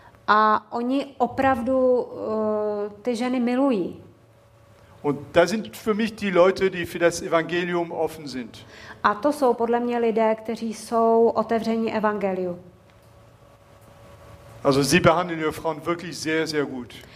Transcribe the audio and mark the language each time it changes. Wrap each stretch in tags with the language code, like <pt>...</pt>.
<cs>A oni opravdu ty ženy milují.</cs> <de>Und da sind für mich die Leute, die für das Evangelium offen sind.</de> <cs>A to jsou podle mě lidé, kteří jsou otevření evangeliu.</cs> <de>Also sie behandeln ihre Frauen wirklich sehr, sehr gut.</de>